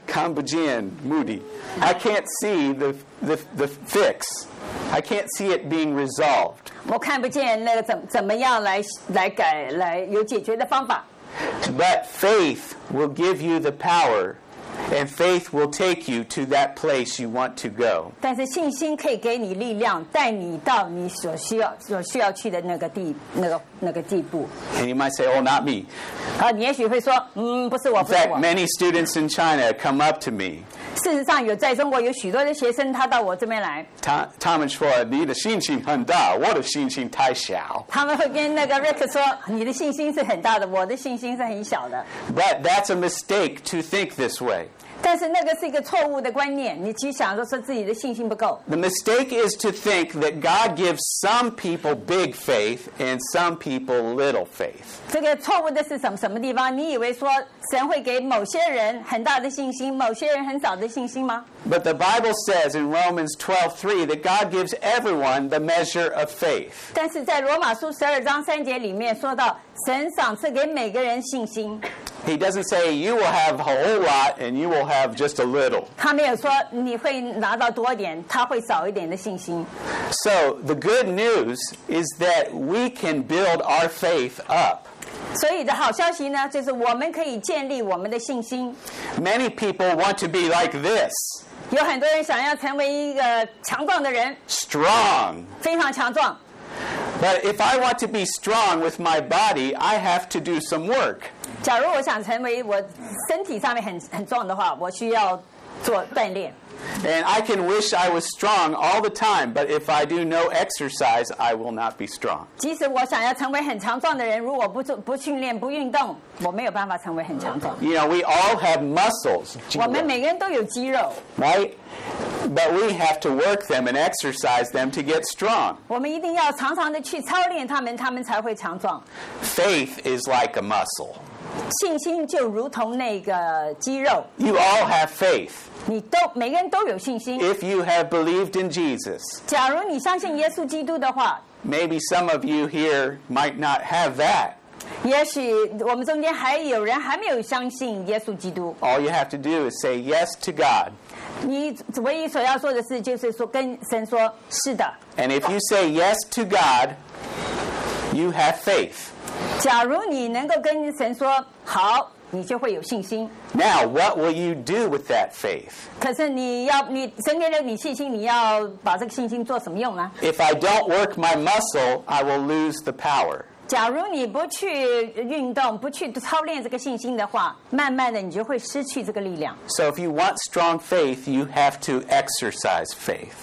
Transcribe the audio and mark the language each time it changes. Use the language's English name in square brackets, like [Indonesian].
[Chinese] 看不见 [English] ，Moody。I can't see the fix. I can't see it being resolved. [Chinese] 我看不见那个怎么样来改来有解决的方法。 [English] But faith will give you the power And faith will take you to that place you want to go. [Chinese] 但是信心可以给你力量，带你到你所需要去的那个地步。 [English] And you might say, "Oh, not me." [Chinese] 啊，你也许会说，不是我，不是我。 [English] In fact, many students in China come up to me. [Chinese] 事实上，有在中国有许多的学生，他到我这边来。他们说，你的信心很大，我的信心太小。他们会跟那个 Rick 说，你的信心是很大的，我的信心是很小的。 [English] But that's a mistake to think this way. [Chinese] 但是那个是一个错误的观念，你只想着说自己的信心不够。 [English] The mistake is to think that God gives some people big faith and some people little faith. [Chinese] 这个错误的是什么地方？你以为说神会给某些人很大的信心，某些人很少的信心吗？ [English] But the Bible says in Romans 12:3 that God gives everyone the measure of faith. [Chinese] 但是在罗马书十二章三节里面说到，神赏赐给每个人信心。 [English] He doesn't say you will have a whole lot and you will have just a little. [Chinese] 他没有说你会拿到多一点，他会少一点的信心。 [English] So the good news is that we can build our faith up. [Chinese] 所以的好消息呢，就是我们可以建立我们的信心。 [English] Many people want to be like this. [Chinese] 有很多人想要成为一个强壮的人。 [English] Strong. [Chinese] 非常强壮。 [English] But if I want to be strong with my body, I have to do some work. [Chinese] 假如我想成为我身体上面很壮的话，我需要做锻炼。 [English] And I can wish I was strong all the time, but if I do no exercise, I will not be strong. [Chinese] 即使我想要成为很强壮的人，如果不训练不运动，我没有办法成为很强壮。 [English] You know, we all have muscles. [Chinese] 我们每个人都有肌肉。 [English] Right? But we have to work them and exercise them to get strong. [Chinese] 我们一定要常常的去操练他们，他们才会强壮。 [English] Faith is like a muscle. [Chinese] 信心就如同那个肌肉。 [English] You all have faith. [Chinese] 你都每个人都有信心。 [English] If you have believed in Jesus. [Chinese] 假如你相信耶稣基督的话。 [English] Maybe some of you here might not have that. [Chinese] 也许我们中间还有人还没有相信耶稣基督。 [English] All you have to do is say yes to God. [Chinese] 你唯一所要做的事就是说跟神说是的。 [English] And if you say yes to God, you have faith. [Chinese] 假如你能够跟神说好，你就会有信心。 [English] Now, what will you do with that faith? [Chinese] 可是你要你神给了你信心，你要把这个信心做什么用呢？ [English] If I don't work my muscle, I will lose the power. [Chinese] 假如你不去运动，不去操练这个信心的话，慢慢的你就会失去这个力量。 [English] So if you want strong faith, you have to exercise faith.